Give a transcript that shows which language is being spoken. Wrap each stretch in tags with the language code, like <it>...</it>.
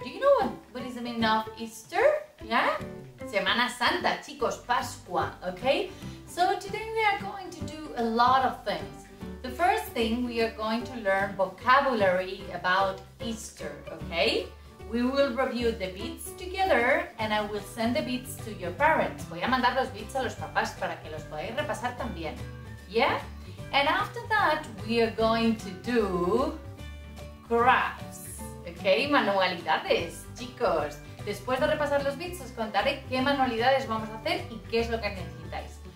<en>Do you know what is the meaning of Easter? Yeah?</en> <es>Semana Santa, chicos, Pascua,</es> <en>okay? So today we are going to do a lot of things. The first thing, we are going to learn vocabulary about Easter, okay? We will review the bits together and I will send the bits to your parents.</en> <es>Voy a mandar los bits a los papás para que los podáis repasar también.</es> <en>Yeah? And after that, we are going to do crafts.</en> <es>Okay? Manualidades, chicos. Después de repasar los bits, os contaré qué manualidades vamos a hacer y qué es lo que necesitáis.</es>